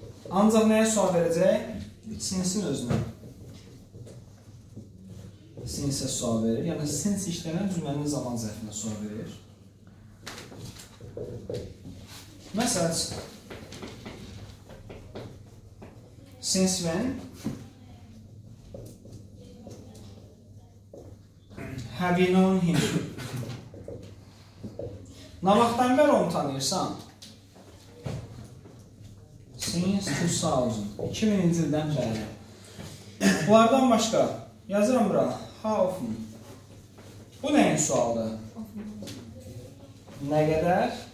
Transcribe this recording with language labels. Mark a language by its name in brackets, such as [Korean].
[Azerbaijani] Ancaq nəyə sual verəcək? Since-in özünə. Since-ə sual verir. Yəni, since işlənən cümlənin zaman zərfinə sual verir. Məsəl [English] since when have you known him? [Azerbaijani] Nə vaxtdan bəri onu tanıyırsan? [English] Since 2000. [Azerbaijani] 2000-ci ildən bəri. Bunlardan başqa, yazıram bura. [English] How often? [Azerbaijani] Bu nəyin sualdır? Nə qədər?